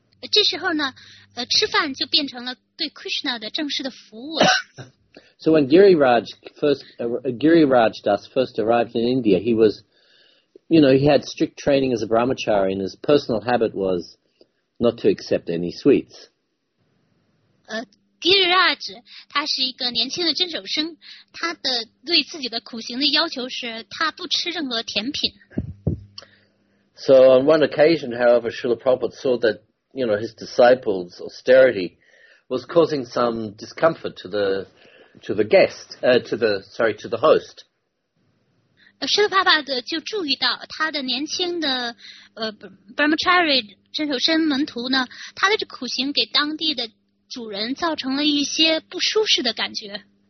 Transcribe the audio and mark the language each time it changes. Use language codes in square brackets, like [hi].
[zh] 这时候呢吃饭就变成了对 Krishna 的正式的服务。 [en] So when Giriraj Das first arrived in India, he wasYou know, he had strict training as a brahmachari, and his personal habit was not to accept any sweets. [zh] Giriraj, 他是一个年轻的遵守生，他的对自己的苦行的要求是他不吃任何甜品。 [en] So on one occasion, however, Srila Prabhupada saw that, you know, his disciples' austerity was causing some discomfort to the host. [zh] Srila Prabhupada就注意到他的年轻的Brahmachari 遵守僧门徒呢，他的这苦行给当地的主人造成了一些不舒适的感觉。